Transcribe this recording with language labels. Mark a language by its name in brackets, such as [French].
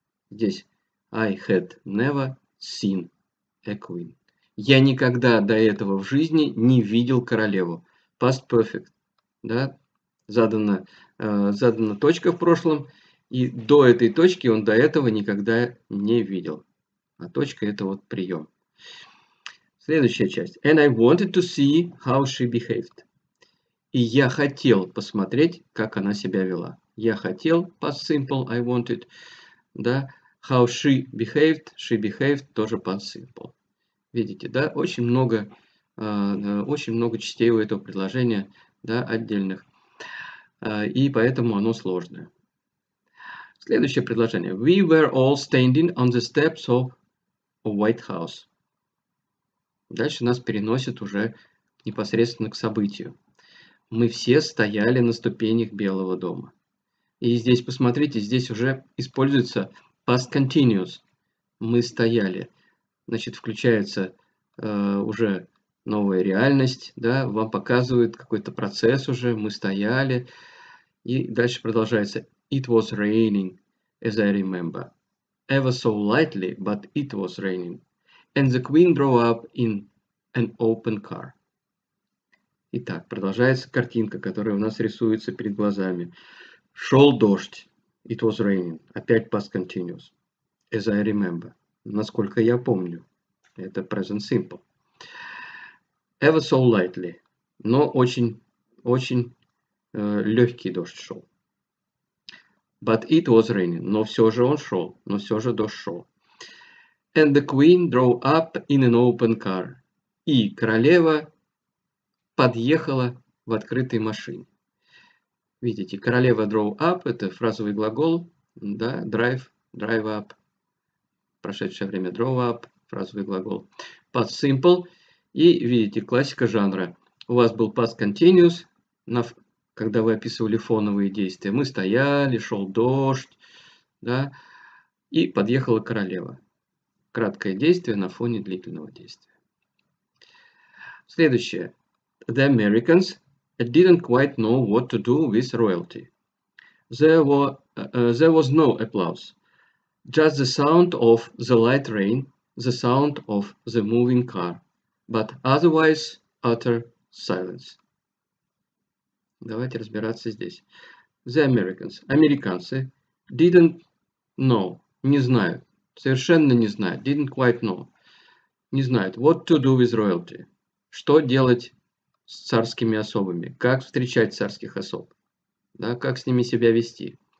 [Russian] Здесь [English] I had never seen a queen. [Russian] Я никогда до этого в жизни не видел королеву. Past perfect. Да? Задана точка в прошлом. И до этой точки он до этого никогда не видел. А точка это вот прием. Следующая часть. [English] And I wanted to see how she behaved. [Russian] И я хотел посмотреть, как она себя вела. Я хотел, [English] past simple, I wanted. [Russian] Да? [English] How she behaved [Russian] тоже [English] past simple. [Russian] Видите, да? Очень много частей у этого предложения, да, отдельных. И поэтому оно сложное. Следующее предложение. We were all standing on the steps of White House. Дальше нас переносит уже непосредственно к событию. Мы все стояли на ступенях Белого дома. И здесь, посмотрите, здесь уже используется past continuous. Мы стояли. Значит, включается уже новая реальность. Да? Вам показывают какой-то процесс уже. Мы стояли. И дальше продолжается. [English] It was raining, as I remember. Ever so lightly, but it was raining. And the queen drove up in an open car. [Russian] Итак, продолжается картинка, которая у нас рисуется перед глазами. Шел дождь. [English] It was raining. [Russian] Опять [English] past continuous. As I remember. [Russian] Насколько я помню. Это [English] present simple. Ever so lightly. [Russian] Но очень, очень легкий дождь шел. [English] But it was raining. [Russian] Но все же он шел. Но все же дождь шел. [English] And the queen drove up in an open car. [Russian] И королева подъехала в открытой машине. Видите, королева drove up – это фразовый глагол. Да, [English] drive, drive up. [Russian] Прошедшее время drove up – фразовый глагол. [English] Past simple. [Russian] И видите, классика жанра. У вас был past continuous, когда вы описывали фоновые действия. Мы стояли, шел дождь. Да, и подъехала королева. Краткое действие на фоне длительного действия. Следующее. [English] The Americans didn't quite know what to do with royalty. There was no applause. Just the sound of the light rain, the sound of the moving car. But otherwise, utter silence. [Russian] Давайте разбираться здесь. [English] The Americans, [Russian] американцы, [English] didn't know, [Russian] не знают. Совершенно не знает, [English] didn't quite know, [Russian] не знает, [English] what to do with royalty, [Russian] что делать с царскими особами, как встречать царских особ, да, как с ними себя вести.